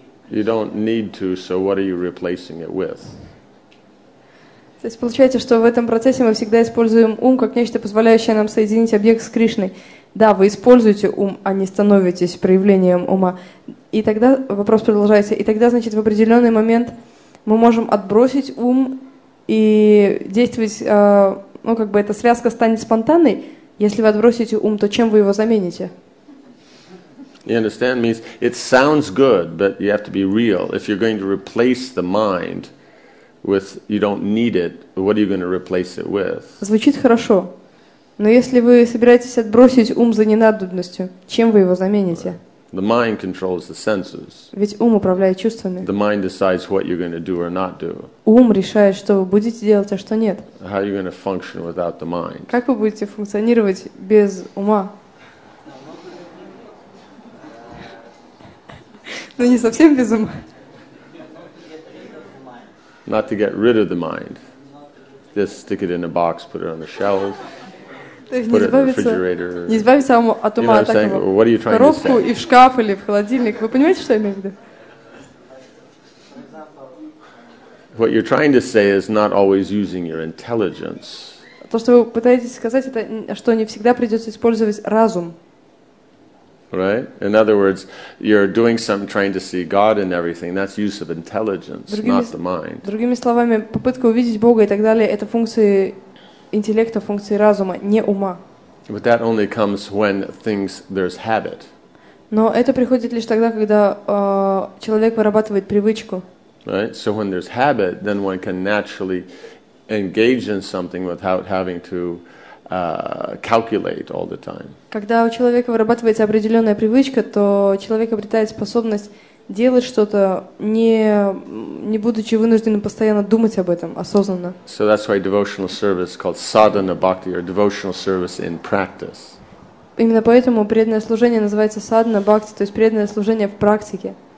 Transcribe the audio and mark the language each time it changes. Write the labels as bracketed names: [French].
[English] You don't need to, so what are you replacing it with? [Russian] То есть получается, что в этом процессе мы всегда используем ум как нечто, позволяющее нам соединить объект с Кришной. Да, вы используете ум, а не становитесь проявлением ума. И тогда вопрос продолжается. И тогда, значит, в определенный момент мы можем отбросить ум и действовать, ну, как бы эта связка станет спонтанной. Если вы отбросите ум, то чем вы его замените? [English] You understand? Means it sounds good, but you have to be real. If you're going to replace the mind with, you don't need it, what are you going to replace it with? [Russian] Звучит хорошо, но если вы собираетесь отбросить ум за ненадобностью, чем вы его замените? [English] The mind controls the senses. [Russian] Ведь ум управляет чувствами. [English] The mind decides what you're going to do or not do. [Russian] Ум решает, что вы будете делать, а что нет. [English] How are you going to function without the mind? [Russian] Как вы будете функционировать без ума? Ну не совсем без ума. [English] Not to get rid of the mind. Just stick it in a box, put it on the shelf. [Russian] То есть не избавиться, не избавиться от ума, [English] you know what I'm [Russian] так [English] what are you [Russian] в коробку [English] to say? [Russian] И в шкаф или в холодильник. Вы понимаете, что я имею в виду? [English] What you're trying to say is not always using your intelligence. [Russian] То, что вы пытаетесь сказать, это что не всегда придется использовать разум. [English] Right? In other words, you're doing something trying to see God in everything. That's use of intelligence, not the mind. [Russian] Другими словами, попытка увидеть Бога и так далее — это функции интеллекта, функции разума, не ума. [English] But that only comes when things there's habit. [Russian] Но это приходит лишь тогда, когда человек вырабатывает привычку. [English] Right? So when there's habit, then one can naturally engage in something without having to calculate all the time. [Russian] Когда у человека вырабатывается определенная привычка, то человек обретает способность делать что-то, не будучи вынужденным постоянно думать об этом осознанно. [English] So that's why devotional service called sadhana bhakti or devotional service in practice. [Russian] Именно поэтому преданное служение называется sadhana bhakti, то есть преданное служение в практике.